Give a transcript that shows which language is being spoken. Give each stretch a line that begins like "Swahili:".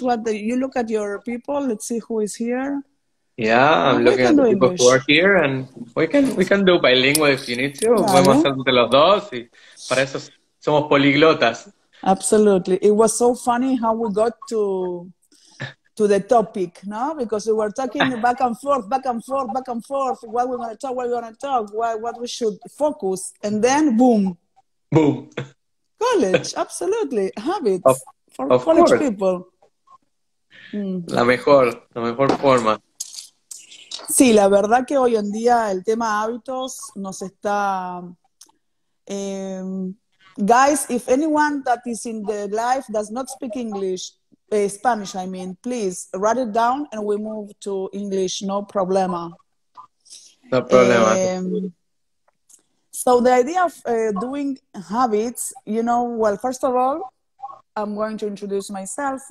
English: You look at your people, let's see who is here. Yeah, I'm looking at the people English. Who are here, and we can do bilingual if you need to.
Spanish: Claro. Vamos a hacer de los dos, y para eso somos poliglotas.
English: Absolutely. It was so funny how we got to the topic, no? Because we were talking back and forth, back and forth, back and forth. What we're going to talk, what we're going to talk, what we should focus. And then, boom. Boom. College, absolutely. Habits of college course. People.
Spanish: La mejor forma. Sí, la verdad que hoy en día el tema hábitos nos está...
English: guys, if anyone that is in the live does not speak English, Spanish, I mean, please write it down and we move to English,
Spanish: no problema. No problema.
English: So the idea of doing habits, you know, well, first of all, I'm going to introduce myself.